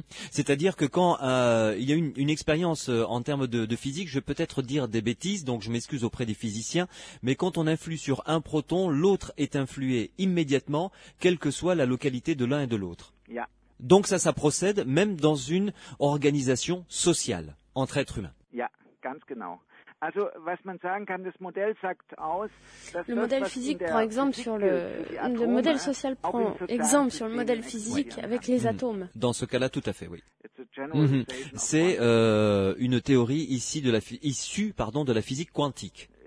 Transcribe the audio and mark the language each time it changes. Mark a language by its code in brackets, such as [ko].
[fr] C'est-à-dire que quand il y a une expérience en termes de physique, je vais peut-être dire des bêtises, donc je m'excuse auprès des physiciens, mais quand on influe sur un proton, l'autre est influé immédiatement, quelle que soit la localité de l'un et de l'autre. [en] Yeah. [fr] Donc ça procède même dans une organisation sociale entre êtres humains. [de] Yeah, ganz genau. Also, was man sagen kann, das Modell sagt aus, [fr] le modèle physique prend exemple sur le modèle social prend exemple sur le modèle physique avec les atomes. Dans ce cas-là, tout à fait, oui. C'est une théorie ici de la issue, pardon, de la physique quantique.